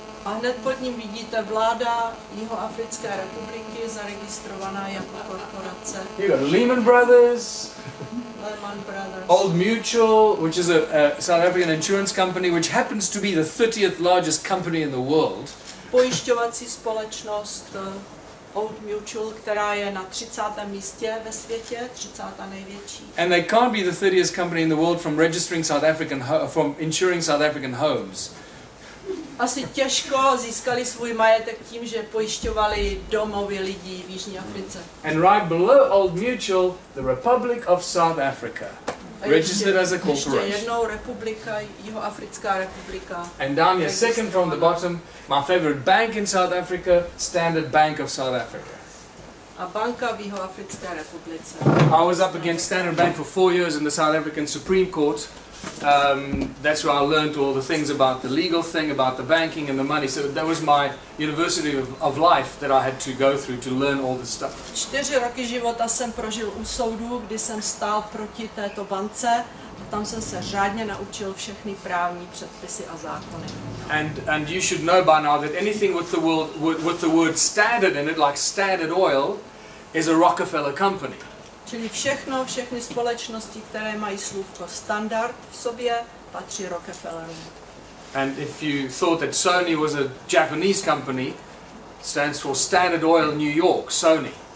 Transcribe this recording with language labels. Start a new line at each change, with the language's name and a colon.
Czech: A hned pod ním vidíte vláda Jihoafrické republiky zaregistrovaná jako korporace.
English: You got Lehman Brothers. Lehman Brothers. Old Mutual, which is a South African insurance company, which happens to be the 30th largest company in the world.
Czech: Pojišťovací společnost. Old Mutual, která je na 30. místě ve světě, 30. největší.
English: And they can't be the 30th company in the world from registering South African from insuring South African homes.
Czech: Asi těžko získali svůj majetek tím, že pojišťovali domovy lidí v Jižní Africe.
English: And right below Old Mutual, the Republic of South Africa. Registered as a corporation.
Czech: Ještě jednou republika, Jihoafrická republika.
English: And down here, second from the bottom, my favorite bank in South Africa, Standard Bank of South Africa.
Czech: A banka v Jihoafrické republice.
English: I was up against Standard Bank for 4 years in the South African Supreme Court. That's where I learned all the things about the legal thing, about the banking and the money. So that was my university of life that I had to go through to learn all this stuff.
Czech: 4 roky života jsem prožil u soudu, kdy jsem stál proti této bance. A tam jsem se řádně naučil všechny právní předpisy a zákony.
English: And you should know by now that anything with the word standard in it, like Standard Oil, is a Rockefeller company.
Czech: Čili všechny společnosti, které mají slůvko standard v sobě, patří Rockefellerům.
English: And if you thought that Sony was a Japanese company, stands for Standard Oil New York, Sony.